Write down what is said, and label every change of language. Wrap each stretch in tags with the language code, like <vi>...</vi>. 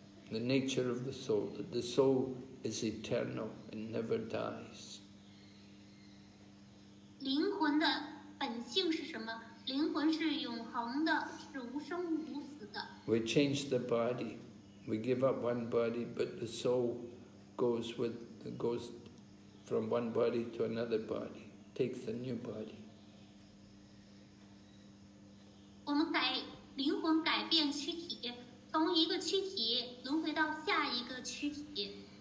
<en>The nature of the soul, that the soul is eternal and never dies.</en> <zh>灵魂的本性是什么? 灵魂是永恒的，是无生无死的。</zh> <en>We change the body, we give up one body, but the soul goes from one body to another body, takes a new body.</en> <zh>我们改灵魂，改变躯体，从一个躯体轮回到下一个躯体。</zh>